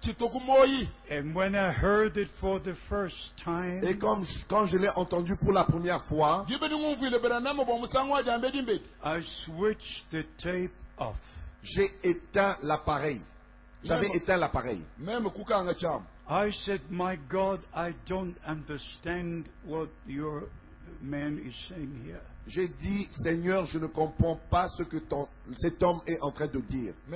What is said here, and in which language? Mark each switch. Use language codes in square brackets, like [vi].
[en] And when I heard it for the first time, [fr] et quand je l'ai entendu pour la première fois, [en] I switched the tape off. [fr] J'ai éteint l'appareil. J'avais éteint l'appareil. Même Kukanga Cham. [en] I said, my God, I don't understand what your man is saying here. [fr] J'ai dit, Seigneur, je ne comprends pas ce que cet homme est en train de dire.